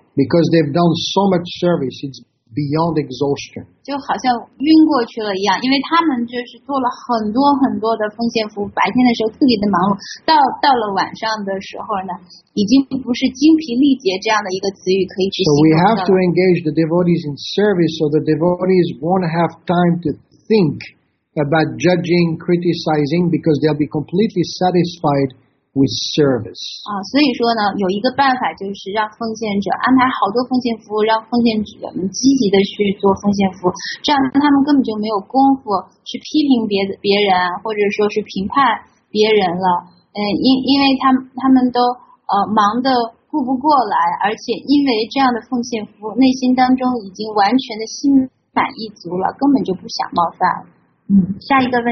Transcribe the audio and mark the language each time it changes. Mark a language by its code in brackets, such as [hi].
[en] Because they've done so much service, it's beyond exhaustion. [zh] 就好像晕过去了一样，因为他们就是做了很多很多的奉献服务，白天的时候特别的忙碌，到了晚上的时候呢，已经不是精疲力竭这样的一个词语可以去形容了。 [en] So we have to engage the devotees in service, so the devotees won't have time to think about judging, criticizing, because they'll be completely satisfied with service. [zh] 所以说呢，有一个办法就是让奉献者安排好多奉献服务，让奉献者们积极的去做奉献服务，这样他们根本就没有功夫去批评别人，或者说是评判别人了。因为他们都忙得顾不过来，而且因为这样的奉献服务，内心当中已经完全的心满意足了，根本就不想冒犯。